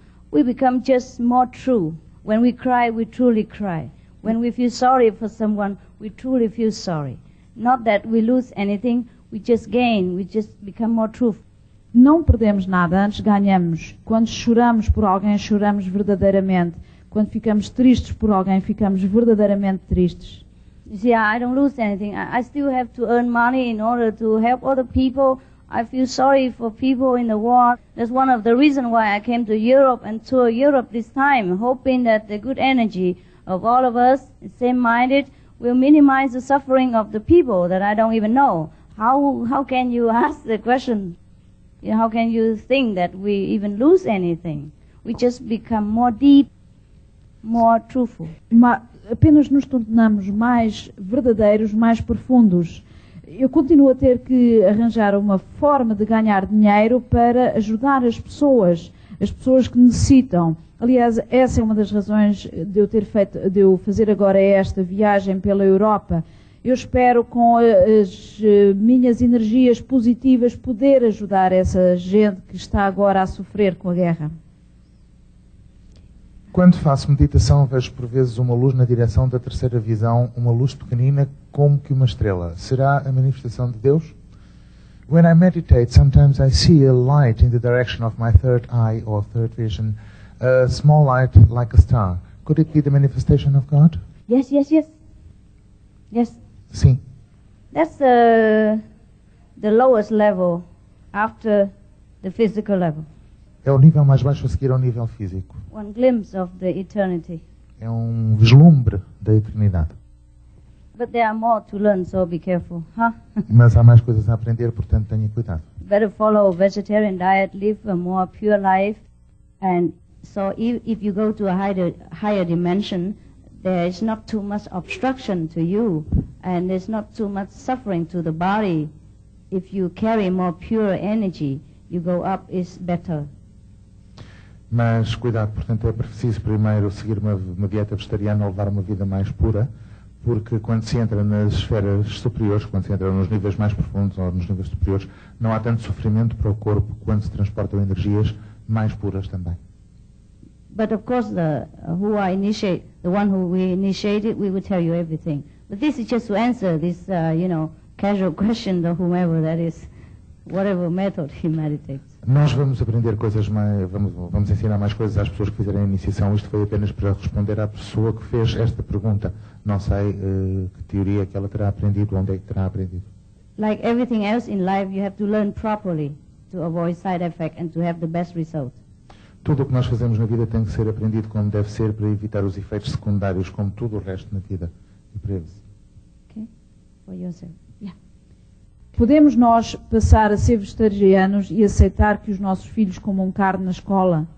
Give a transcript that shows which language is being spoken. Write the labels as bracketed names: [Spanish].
[English] We become just more true. When we cry, we truly cry. When we feel sorry for someone, we truly feel sorry. Not that we lose anything. We just gain, we just become more truth. [Portuguese] Não perdemos nada, antes ganhamos. Quando choramos por alguém, choramos verdadeiramente. Quando ficamos tristes por alguém, ficamos verdadeiramente tristes. [English] You see, I don't lose anything. I still have to earn money in order to help other people. I feel sorry for people in the world. That's one of the reasons why I came to Europe and tour Europe this time, hoping that the good energy of all of us, same-minded, will minimize the suffering of the people that I don't even know. How can you ask the question? How can you think that we even lose anything? We just become more deep, more truthful. [Portuguese] Apenas nos tornamos mais verdadeiros, mais profundos. Eu continuo a ter que arranjar uma forma de ganhar dinheiro para ajudar as pessoas que necessitam. Aliás, essa é uma das razões de eu ter feito, de eu fazer agora esta viagem pela Europa. Eu espero, com as minhas energias positivas, poder ajudar essa gente que está agora a sofrer com a guerra. Quando faço meditação, vejo por vezes uma luz na direção da terceira visão, uma luz pequenina, como que uma estrela. Será a manifestação de Deus? [English] When I meditate, sometimes I see a light in the direction of my third eye or third vision, a small light like a star. Could it be the manifestation of God? Yes, yes, yes. Yes. [Portuguese] Sim. [English] That's the lowest level after the physical level. [Portuguese] É o nível mais baixo a seguir ao nível físico. [English] One glimpse of the eternity. [Portuguese] É um vislumbre da eternidade. [English] But there are more to learn, so be careful, huh? [Portuguese] Mas há mais coisas a aprender, portanto tenha cuidado. [English] Better follow a vegetarian diet, live a more pure life, and so if you go to a higher dimension, there is not too much obstruction to you, and there's not too much suffering to the body. If you carry more pure energy, you go up, it's better. [Portuguese] Mas cuidado, portanto, é preciso primeiro seguir uma dieta vegetariana ou levar uma vida mais pura, porque quando se entra nas esferas superiores, quando se entra nos níveis mais profundos ou nos níveis superiores, não há tanto sofrimento para o corpo quando se transportam energias mais puras também. [English] But of course the one who we initiated, we will tell you everything. But this is just to answer this casual question to whomever that is, whatever method he meditates. [Portuguese] Nós vamos aprender coisas mais, vamos ensinar mais coisas às pessoas que fizerem a iniciação. Isto foi apenas para responder à pessoa que fez esta pergunta. Não sei que teoria que ela terá aprendido, onde é que terá aprendido. [English] Like everything else in life, you have to learn properly to avoid side effect and to have the best result. [Portuguese] Tudo o que nós fazemos na vida tem que ser aprendido como deve ser para evitar os efeitos secundários, como tudo o resto na vida. E para eles. [English] Ok? For yourself. [Portuguese] Podemos nós passar a ser vegetarianos e aceitar que os nossos filhos comam carne na escola?